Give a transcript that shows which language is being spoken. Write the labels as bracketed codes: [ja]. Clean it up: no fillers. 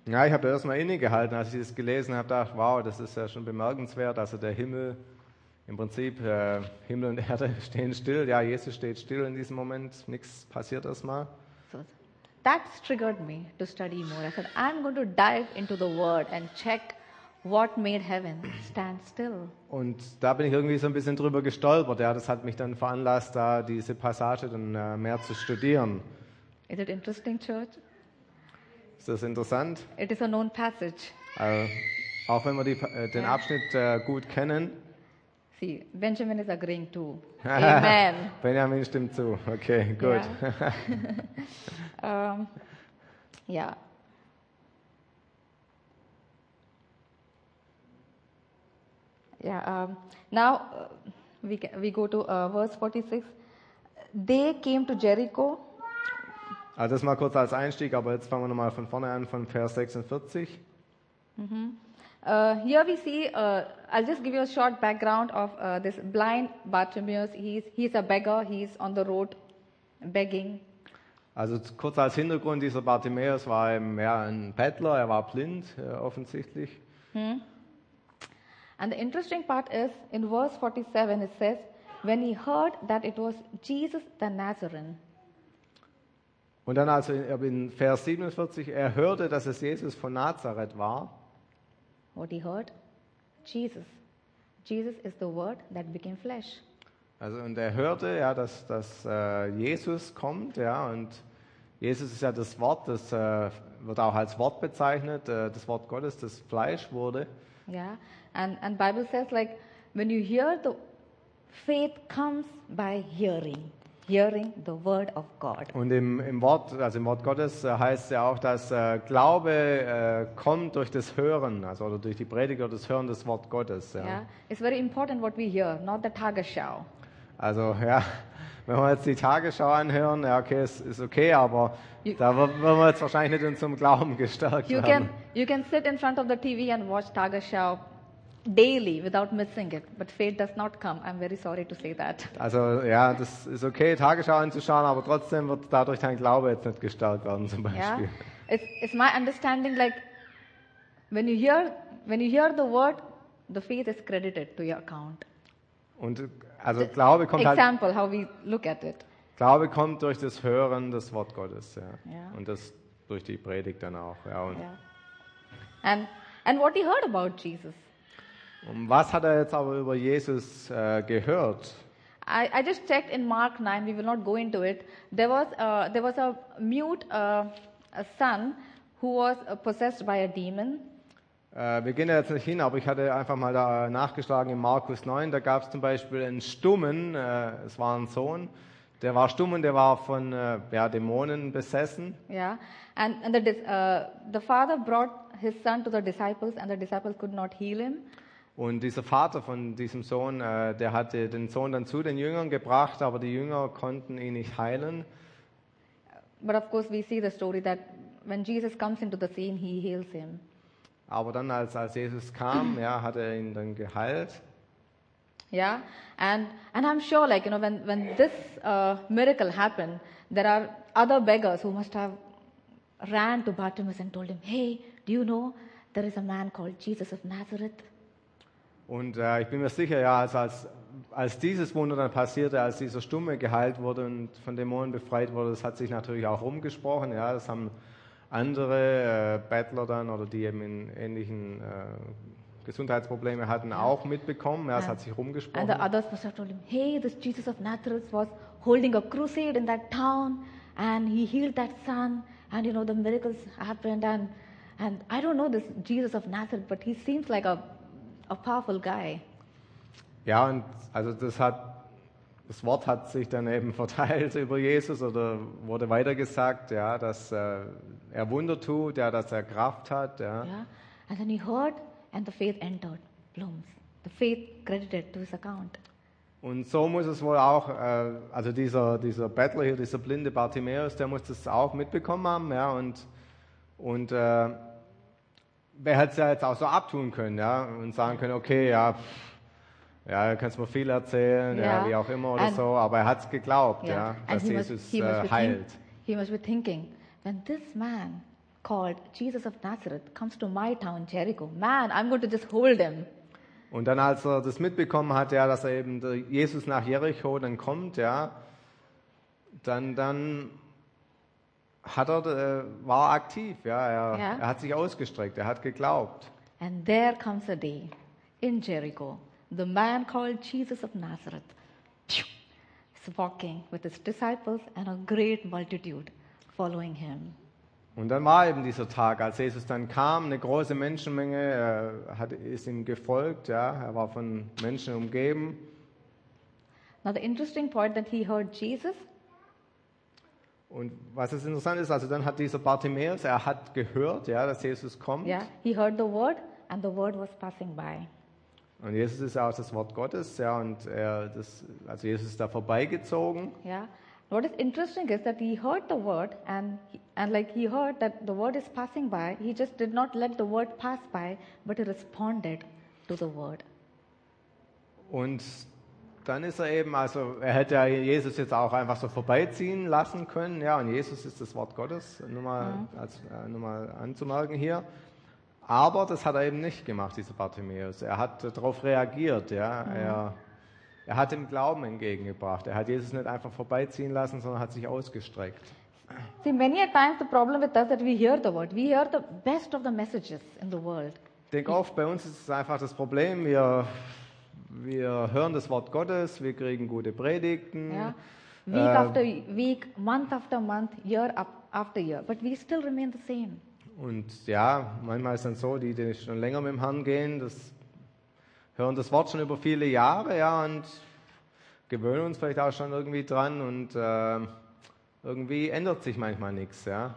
[de] Ja, ich habe erstmal innegehalten, als ich das gelesen habe, dachte, wow, das ist ja schon bemerkenswert, also der Himmel, im Prinzip, Himmel und Erde stehen still. Ja, Jesus steht still in diesem Moment. Nichts passiert erstmal. [en] So, that's triggered me to study more. I said, I'm going to dive into the Word and check what made heaven stand still. [de] Und da bin ich irgendwie so ein bisschen drüber gestolpert. Ja, das hat mich dann veranlasst, da diese Passage dann mehr zu studieren. [en] Is it interesting, Church? [de] Ist das interessant? [en] It is a known passage. [de] Auch wenn wir den Abschnitt gut kennen. [en] See, Benjamin is agreeing too. Amen. [de] Benjamin stimmt zu. [en] Okay, good. Yeah. yeah. Yeah. Now we go to verse 46. They came to Jericho. [de] Also das mal kurz als Einstieg, aber jetzt fangen wir nochmal von vorne an, von Vers 46. [en] Here we see, I'll just give you a short background of this blind Bartimaeus. He's a beggar, he's on the road begging. [de] Also kurz als Hintergrund, dieser Bartimaeus war mehr ein Bettler, er war blind, offensichtlich. [en] And the interesting part is, in verse 47 it says, when he heard that it was Jesus the Nazarene. [de] Und dann also in Vers 47, er hörte, dass es Jesus von Nazareth war. [en] What he heard? Jesus. Jesus is the word that became flesh. [de] Also und er hörte, ja, dass Jesus kommt, ja, und Jesus ist ja das Wort, das wird auch als Wort bezeichnet, das Wort Gottes, das Fleisch wurde. [en] Yeah, and Bible says like, when you hear, the faith comes by hearing. Hearing the word of God. [de] Und im Wort Gottes heißt es ja auch, dass Glaube kommt durch das Hören, also oder durch die Predigt oder das Hören des Wort Gottes. Ja. Yeah. [en] It's very important what we hear, not the Tagesschau. [de] Also ja, wenn wir jetzt die Tagesschau anhören, ja okay, es ist okay, aber da werden wir jetzt wahrscheinlich nicht in unserem Glauben gestärkt werden. [en] You can sit in front of the TV and watch Tagesschau daily without missing it, but faith does not come. I'm very sorry to say that. [de] Also ja, das ist okay, Tagesschau anzuschauen, aber trotzdem wird dadurch dein Glaube jetzt nicht gestärkt werden, zum Beispiel. Yeah. [en] It's my understanding, like when you hear the word, the faith is credited to your account. [de] Und also Glaube kommt [en] example, [de] halt. [en] Example, how we look at it. [de] Glaube kommt durch das Hören des Wort Gottes, ja. Yeah. Und das durch die Predigt dann auch, ja. Und [en] yeah. And what he heard about Jesus. [de] Und was hat er jetzt aber über Jesus gehört? [en] I just checked in Mark 9, we will not go into it. There was a mute a son who was possessed by a demon. [de] Wir gehen da jetzt nicht hin, aber ich hatte einfach mal da nachgeschlagen in Markus 9, da gab es zum Beispiel einen Stummen, es war ein Sohn, der war stumm und der war von Dämonen besessen. Ja, yeah. [en] And the father brought his son to the disciples and the disciples could not heal him. [de] Und dieser Vater von diesem Sohn, der hatte den Sohn dann zu den Jüngern gebracht, aber die Jünger konnten ihn nicht heilen. [en] But of course we see the story that when Jesus comes into the scene, he heals him. [de] Aber dann als Jesus kam, ja, hat er ihn dann geheilt. [en] Yeah, and I'm sure like, you know, when this miracle happened, there are other beggars who must have ran to Bartimaeus and told him, hey, do you know, there is a man called Jesus of Nazareth. [de] Und ich bin mir sicher, ja, als dieses Wunder dann passierte, als dieser Stumme geheilt wurde und von Dämonen befreit wurde, das hat sich natürlich auch rumgesprochen. Ja, das haben andere Bettler dann oder die eben in ähnlichen Gesundheitsprobleme hatten, auch mitbekommen. Ja, es hat sich rumgesprochen. [en] And the others must have told him, hey, this Jesus of Nazareth was holding a crusade in that town and he healed that son and you know the miracles happened and I don't know this Jesus of Nazareth, but he seems like a powerful guy. [de] Ja, und also das Wort hat sich dann eben verteilt über Jesus oder wurde weitergesagt, ja, dass er Wunder tut, ja, dass er Kraft hat, ja. Yeah. [en] And then he heard and the faith entered, blooms. The faith credited to his account. [de] Und so muss es wohl auch, also dieser Bettler hier, dieser blinde Bartimaeus, der muss das auch mitbekommen haben, ja, und wer hätte es ja jetzt auch so abtun können, ja, und sagen können, okay, ja, ja, du kannst mir viel erzählen, yeah, ja, wie auch immer oder and, so, aber er hat es geglaubt, yeah, ja, dass Jesus heilt. [en] He must be thinking, when this man called Jesus of Nazareth comes to my town Jericho, man, I'm going to just hold him. [de] Und dann als er das mitbekommen hat, ja, dass er eben Jesus nach Jericho dann kommt, ja, dann hat er, war aktiv, ja, er hat sich ausgestreckt, er hat geglaubt. [en] And there comes a day in Jericho, the man called Jesus of Nazareth is walking with his disciples and a great multitude following him. [de] Und dann war eben dieser Tag, als Jesus dann kam, eine große Menschenmenge ist ihm gefolgt, ja, er war von Menschen umgeben. [en] Now the interesting point that he heard Jesus. [de] Und was es interessant ist, also dann hat dieser Bartimaeus, er hat gehört, ja, dass Jesus kommt. [en] Yeah, he heard the word and the word was passing by. [de] Und Jesus ist auch das Wort Gottes, ja, und er das, also Jesus ist da vorbeigezogen. Yeah. [en] What is interesting is that he heard the word and like he heard that the word is passing by, he just did not let the word pass by, but he responded to the word. [de] Und dann ist er eben, also er hätte ja Jesus jetzt auch einfach so vorbeiziehen lassen können, ja, und Jesus ist das Wort Gottes, nur mal, als, nur mal anzumerken hier. Aber das hat er eben nicht gemacht, dieser Bartimäus. Er hat darauf reagiert, ja, er hat ihm Glauben entgegengebracht. Er hat Jesus nicht einfach vorbeiziehen lassen, sondern hat sich ausgestreckt. [en] See, many a times the problem with us that we hear the word, we hear the best of the messages in the world. [de] Denk oft, bei uns ist es einfach das Problem, wir hören das Wort Gottes, wir kriegen gute Predigten. [en] Yeah. Week after week, month after month, year after year. But we still remain the same. [de] Und ja, manchmal ist es dann so, die schon länger mit dem Herrn gehen, das hören das Wort schon über viele Jahre, ja, und gewöhnen uns vielleicht auch schon irgendwie dran und irgendwie ändert sich manchmal nichts, ja.